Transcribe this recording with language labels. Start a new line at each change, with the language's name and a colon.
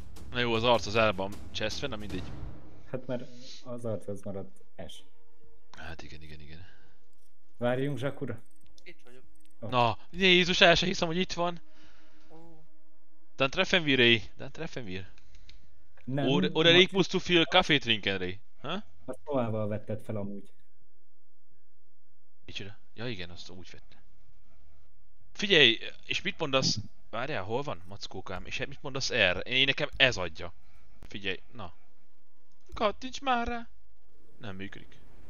Hungarian: Na jó, az arc az el van cseszve, na mindegy. Hát mert az arc az maradt es. Hát igen, igen, igen. Várjunk, Zsakura. Itt vagyok. Oh. Na, Jézus, el se hiszem, hogy itt van.
German: Dann treffen wir ey. Dann treffen wir. Nem. Oder ich muss zu viel Kaffee trinken, ey. Ha?
Hungarian: Azt továval vetted fel amúgy. Micsoda? Ja igen, azt úgy vette. Figyelj, és mit mondasz? Várjál, hol van, mackókám? És mit mondasz erre? Én nekem ez adja. Figyelj, na. Kattints már rá. Nem működik.